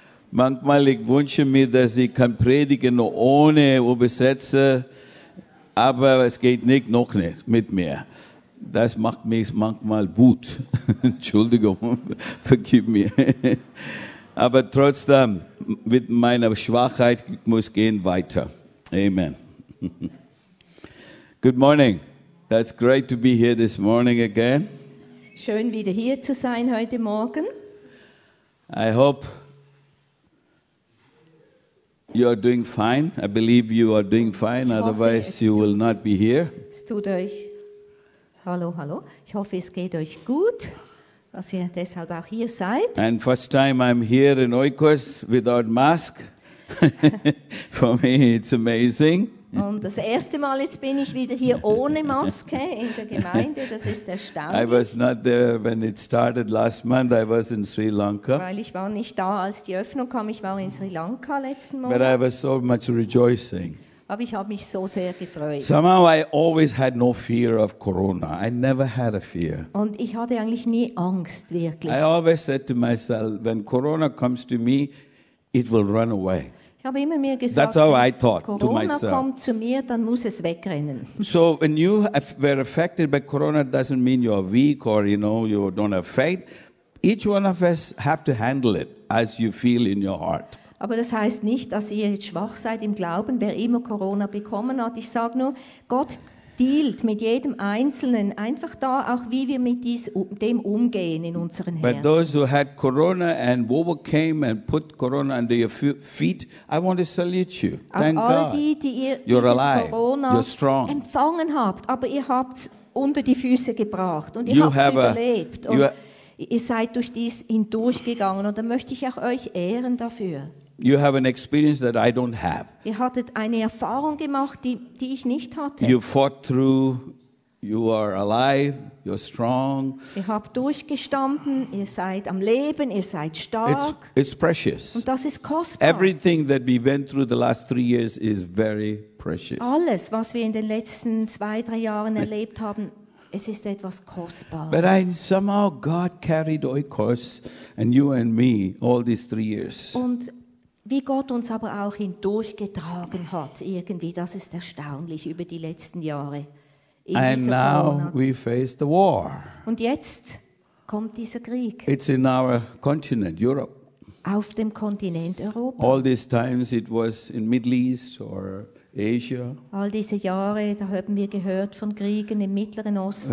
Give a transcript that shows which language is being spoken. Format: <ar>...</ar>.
<de>Manchmal ich wünsche mir, dass ich kann predigen ohne Übersetzer, aber es geht nicht, noch nicht mit mir. Das macht mich manchmal wut. Entschuldigung, vergib mir. Aber trotzdem, mit meiner Schwachheit ich muss gehen weiter. Amen.</de> <en>Good morning. That's great to be here this morning again.</en> <de>Schön wieder hier zu sein heute Morgen.</de> <en>I hope you are doing fine. I believe you are doing fine. Otherwise, you will not be here.</en> <de>Es tut euch. Hallo, hallo. Ich hoffe, es geht euch gut, dass ihr deshalb auch hier seid.</de> <en>And first time I'm here in Oikos without mask. For me, it's amazing.</en> <de>Und das erste Mal jetzt bin ich wieder hier ohne Maske in der Gemeinde, das ist erstaunlich.</de> <en>I was not there when it started last month, I was in Sri Lanka.</en> <de>Weil ich war nicht da, als die Öffnung kam, ich war in Sri Lanka letzten Monat.</de> <en>But I was so much rejoicing.</en> <de>Aber ich habe mich so sehr gefreut.</de> <en>Somehow I always had no fear of Corona. I never had a fear.</en> <de>Und ich hatte eigentlich nie Angst, wirklich.</de> <en>I always said to myself, when Corona comes to me, it will run away.</en> <de>Ich habe immer mir gesagt,</de> <en>that's how I thought Corona to myself.</en> <de>Kommt zu mir, dann muss es wegrennen.</de> <en>So when you were affected by Corona, doesn't mean you are weak or you know you don't have faith. Each one of us have to handle it as you feel in your heart.</en> <de>Aber das heißt nicht, dass ihr jetzt schwach seid im Glauben, wer immer Corona bekommen hat. Ich sage nur, Gott dealt mit jedem Einzelnen einfach da, auch wie wir mit dem umgehen in unseren Herzen.</de> <en>But those who had Corona and overcame and put Corona under your feet, I want to salute you. Thank all God.</en> <de>Die ihr</de> <en>alive. Corona You're strong.</en> <de>Empfangen habt, aber ihr habt es unter die Füße gebracht und ihr habt es überlebt. Ihr seid durch dies hindurchgegangen und da möchte ich auch euch ehren dafür.</de> <en>You have an experience that I don't have.</en> <de>Ihr hattet eine Erfahrung gemacht, die ich nicht hatte.</de> <en>You fought through. You are alive. You're strong.</en> <de>Ihr habt durchgestanden. Ihr seid am Leben. Ihr seid stark.</de> <en>It's precious.</en> <de>Und das ist kostbar.</de> <en>Everything that we went through the last 3 years is very precious.</en> <de>Alles, was wir in den letzten 2, 3 Jahren erlebt haben, es ist etwas kostbares.</de> <en>But somehow God carried Oikos and you and me all these 3 years.</en> <de>Und wie Gott uns aber auch hindurchgetragen hat, irgendwie, das ist erstaunlich über die letzten Jahre.</de> <en>And now we face the war.</en> <de>Und jetzt kommt dieser Krieg.</de> <en>It's in our continent, Europe.</en> <de>Auf dem Kontinent Europa.</de> <en>All these times it was in Middle East or Asia.</en> <de>All diese Jahre, da haben wir gehört von Kriegen im Mittleren Osten.</de>